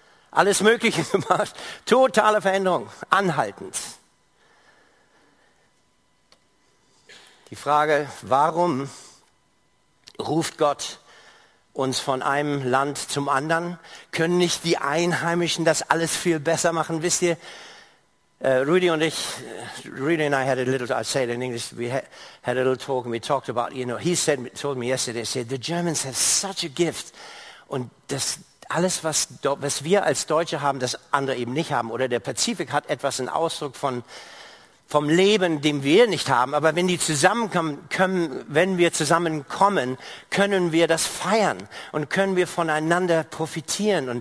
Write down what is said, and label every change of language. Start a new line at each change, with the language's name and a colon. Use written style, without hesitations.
German: Alles Mögliche gemacht. Totale Veränderung. Anhaltend. Die Frage, warum ruft Gott uns von einem Land zum anderen? Können nicht die Einheimischen das alles viel besser machen? Wisst ihr,
English: Rudy and I had a little, I'll say it in English, we had a little talk and we talked about, you know, he told me yesterday, he said, the Germans have such a gift.
German: Und das alles, was wir als Deutsche haben, das andere eben nicht haben. Oder der Pazifik hat etwas, einen Ausdruck vom Leben, den wir nicht haben. Aber wenn die zusammenkommen, können wir das feiern und können wir voneinander profitieren.